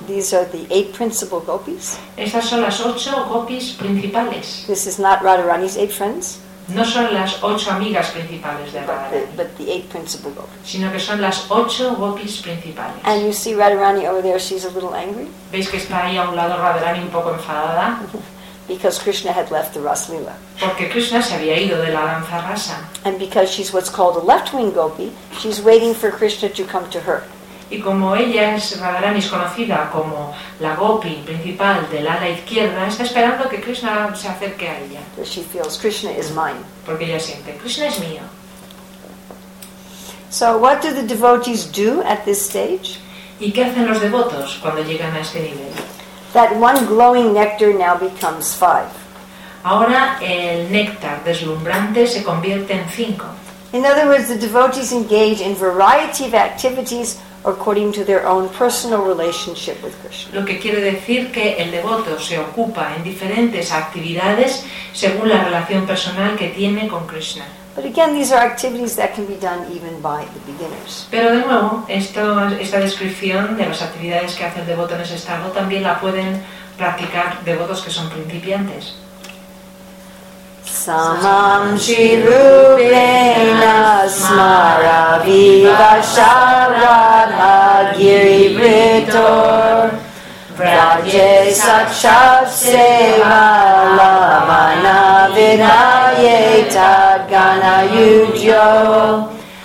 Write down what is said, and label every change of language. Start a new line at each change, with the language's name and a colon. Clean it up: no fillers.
English: These are the eight principal gopis.
Spanish: Estas son las ocho gopis principales.
English: This is not Radharani's eight friends.
Spanish: No son las ocho amigas principales de Radharani.
English: But the eight principal gopis.
Spanish: Sino que son las ocho gopis principales.
English: And you see Radharani over there, she's a little angry.
Spanish: ¿Veis que está ahí a un lado Radharani un poco enfadada?
English: Because Krishna had left the Rasalila.
Spanish: Porque Krishna se había ido de la danza rasa.
English: And because she's what's called a left-wing gopi, she's waiting for Krishna to come to her.
Spanish: Y como ella es Radharani, es conocida como la gopi principal del ala izquierda, está esperando que Krishna se acerque a ella.
English: But she feels Krishna is mine.
Spanish: Porque ella siente, Krishna es mío.
English: So what do the devotees do at this stage?
Spanish: ¿Y qué hacen los devotos cuando llegan a este nivel?
English: That one glowing nectar now becomes five.
Spanish: Ahora el néctar deslumbrante se convierte en cinco.
English: In other words, the devotees engage in variety of activities according to their own personal relationship with Krishna.
Spanish: Lo que quiere decir que el devoto se ocupa en diferentes actividades según la relación personal que tiene con Krishna.
English: But again, these are activities that can be done even by the beginners.
Spanish: Pero de nuevo, esta descripción de las actividades que hace el devoto en ese estado también la pueden practicar devotos que son principiantes.
Sanskrit: Samam Shirupena Smara Viva Sharana Giri Vritor Vraje Sakshat Seva Lavana Vinayeta Gana Yujo